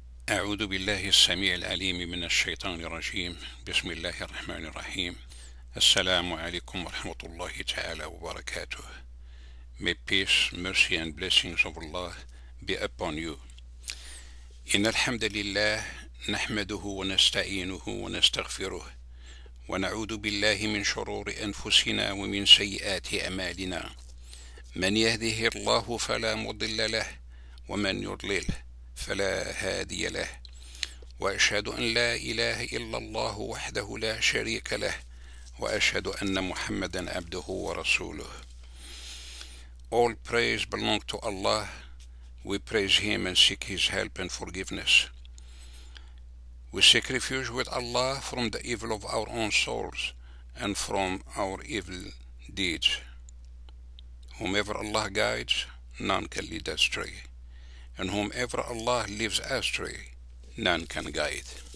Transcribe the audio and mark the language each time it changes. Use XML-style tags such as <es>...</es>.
<ar>أعوذ بالله السميع العليم من الشيطان الرجيم. بسم الله الرحمن الرحيم. السلام عليكم ورحمة الله تعالى وبركاته.</ar> <en>May peace, mercy and blessings of Allah be upon you.</en> <ar>إن الحمد لله نحمده ونستعينه ونستغفره ونعوذ بالله من شرور أنفسنا ومن سيئات أعمالنا. من يهده الله فلا مضل له ومن يضلل فلا هادي له، وأشهد أن لا إله إلا الله وحده لا شريك له، وأشهد أن محمدا عبده ورسوله.</ar> <en>All praise belong to Allah. We praise Him and seek His help and forgiveness. We seek refuge with Allah from the evil of our own souls and from our evil deeds. Whomever Allah guides, none can lead astray. And whomever Allah leaves astray, none can guide.</en>